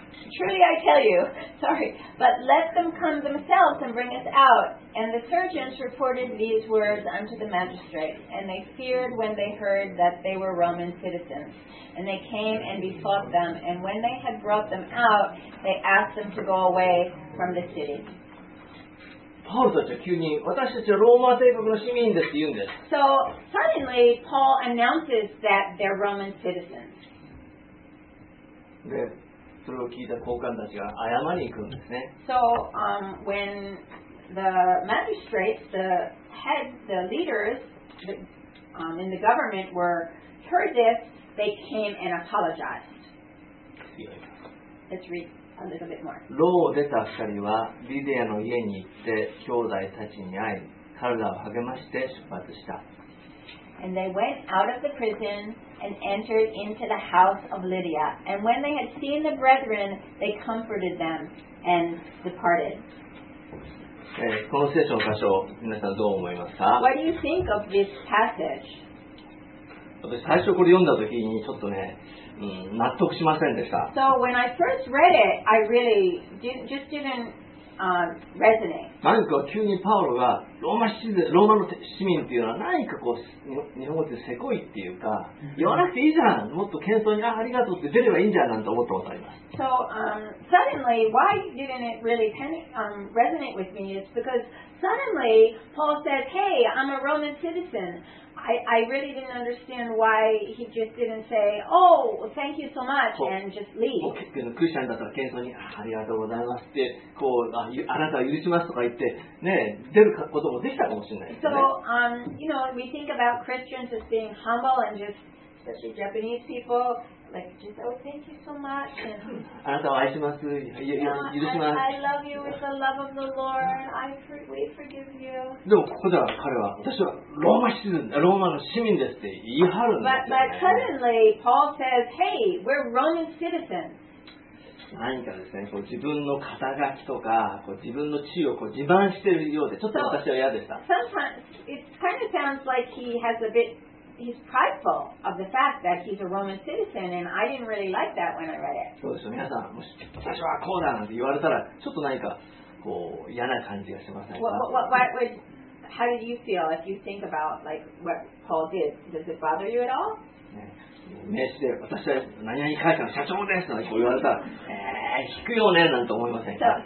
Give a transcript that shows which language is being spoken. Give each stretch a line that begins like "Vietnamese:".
English: I can't really read. But let them come themselves and bring us out. And the surgeons reported these words unto the magistrate, and they feared when they heard that they were Roman citizens. And they came and besought them, and when they had brought them out, they asked them to go away from the city.
Japanese: Paul たちは急に、私たちはローマ帝国の市民ですって言うんです。
English: So, suddenly, Paul announces that they're Roman citizens.
Japanese: で、それを聞いた高官たちが謝りに行くんですね。
English: So, when the magistrates, the heads, the leaders in the government were heard this, they came and apologized. Let's read.
Japanese: 牢を出た二人はリディアの家に行って兄弟たちに会い彼らを励まして出発した
English: And they went out of the prison and entered into the house of Lydia and when they had seen the brethren they comforted them and departed
Japanese: この聖書の箇所皆さんどう思いますか
English: What do you think of this passage?
Japanese: 私最初これ読んだ時にちょっとね納得しませんでした。
English: So when I first read it, I really just didn't resonate.
Japanese: 何か急にパウロがローマの市民っていうのは何かこう日本語でせこいっていうか言わなくていいじゃん。もっと謙遜にありがとうって出ればいいんじゃんなんて思ったことあります。
English: So suddenly, why didn't it really resonate with me? It's because suddenly Paul says, "Hey, I'm a Roman citizen." I really didn't understand why he just didn't say, oh, thank you so much, and just leave.
Japanese: クリスチャンだったら謙遜にありがとうございますって、こう、あなたを許しますとか言って、ね、出ることもできたかもしれないですね。
English: So, we think about Christians as being humble and just, especially Japanese people, like, just, oh, thank you so much. And,
Japanese: あなたを愛します。許します。
English: I love you with the love of the Lord. We forgive you.
Japanese: でもここでは彼は、私はローマ市民、ローマの市民ですって言い張るんですよ、ね。
English: But suddenly, Paul says, hey, we're Roman citizens.
Japanese: 何かですね、こう自分の肩書きとか、こう自分の地位をこう自慢しているようで、ちょっと私は嫌でした。
English: So, sometimes, it kind of sounds like he has a bit... He's prideful of the fact that he's a Roman citizen, and I didn't really like that when I read it.
Japanese: そうですよ、皆さん、もし私はこうだなんて言われたら、ちょっと何かこう嫌な感じがしませんか
English: How did you feel if you think about like what Paul did? Does it bother you at all?
Japanese: 名刺で私は何々会社の社長ですなんてこう言われたら、引くよねなんて思いませんか